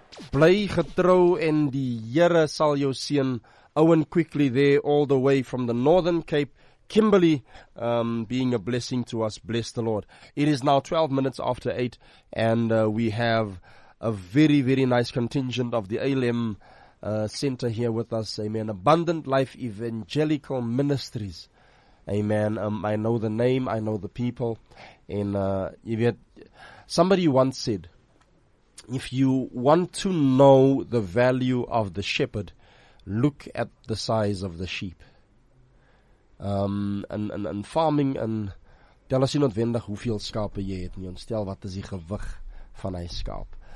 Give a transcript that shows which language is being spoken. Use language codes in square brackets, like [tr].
[af] Bly getrou en die Here sal jou seën. [en] Owen quickly there all the way from the Northern Cape, Kimberley, being a blessing to us. Bless the Lord. It is now 12 minutes after 8 and we have a very, very nice contingent of the ALM Center here with us. Amen. Abundant Life Evangelical Ministries. Amen. I know the name. I know the people. And you get, somebody once said, if you want to know the value of the shepherd, look at the size of the sheep. And farming, and [af] tel as jy noodwendig hoeveel skape jy het nie, ons tel wat is die gewig van hy skaap.